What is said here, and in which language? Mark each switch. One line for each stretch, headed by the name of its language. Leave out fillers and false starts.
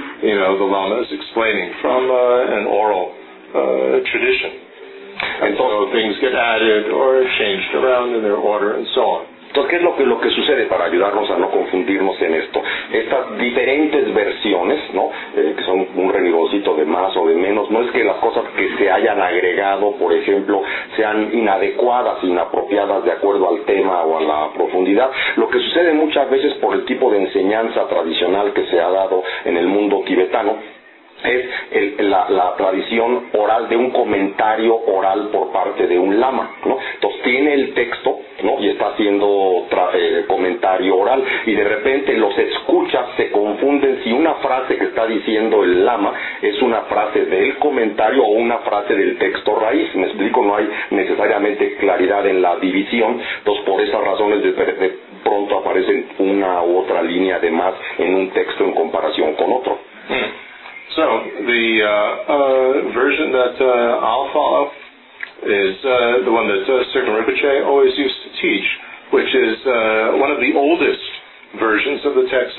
English: you know, the Lama is explaining from an oral tradition. And so things get added or changed around in their order and so on.
Spanish: Entonces, ¿qué es lo que sucede para ayudarnos a no confundirnos en esto? Estas diferentes versiones, ¿no? Que son un renegocito de más o de menos, no es que las cosas que se hayan agregado, por ejemplo, sean inadecuadas, inapropiadas de acuerdo al tema o a la profundidad. Lo que sucede muchas veces por el tipo de enseñanza tradicional que se ha dado en el mundo tibetano, es la tradición oral de un comentario oral por parte de un lama, ¿no? Entonces tiene el texto, ¿no? Y está haciendo comentario oral, y de repente los escuchas se confunden si una frase que está diciendo el lama es una frase del comentario o una frase del texto raíz. ¿Me explico? No hay necesariamente claridad en la división, entonces por esas razones de pronto aparecen una u otra línea de más en un texto en comparación con otro.
English: So, the version that I'll follow is the one that Sergeant Rinpoche always used to teach, which is one of the oldest versions of the text.